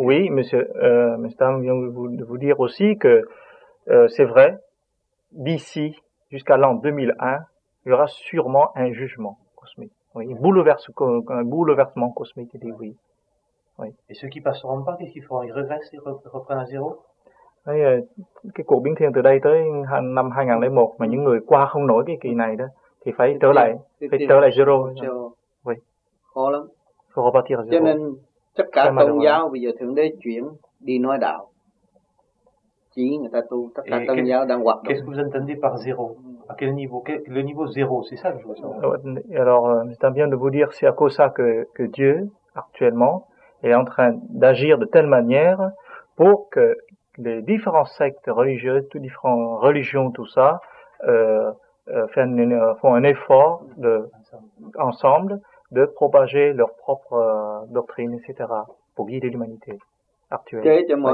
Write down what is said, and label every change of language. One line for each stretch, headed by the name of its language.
French: Oui, monsieur Stam vient de vous dire aussi que c'est vrai, d'ici jusqu'à l'an 2001, il y aura sûrement un jugement cosmique, un bouleversement cosmique, il dit oui. Oui. Et ceux qui passeront pas, qu'est-ce qu'ils feront? Ils reversent et reprennent à zéro?
Vietnamese: Cái cuộc biến thiên từ đây tới năm 2001 mà những người qua không nổi cái kỳ này đó thì phải trở lại, phải trở lại zero. Khó lắm. Cho nên tất cả tôn giáo bây giờ Thượng Đế chuyển đi nói đạo. Chỉ người ta tu, tất cả tôn giáo đang hoạt động.
French: Qu'est-ce que vous entendez par zéro? À quel niveau? Le niveau zéro, c'est ça que je veux savoir. Alors, c'est bien de vous dire, c'est à cause de ça que Dieu, actuellement, est en train d'agir de telle manière pour que les différents sectes religieux, toutes différentes religions, tout ça, font un effort ensemble de propager leur propre doctrine, etc., pour guider l'humanité actuelle.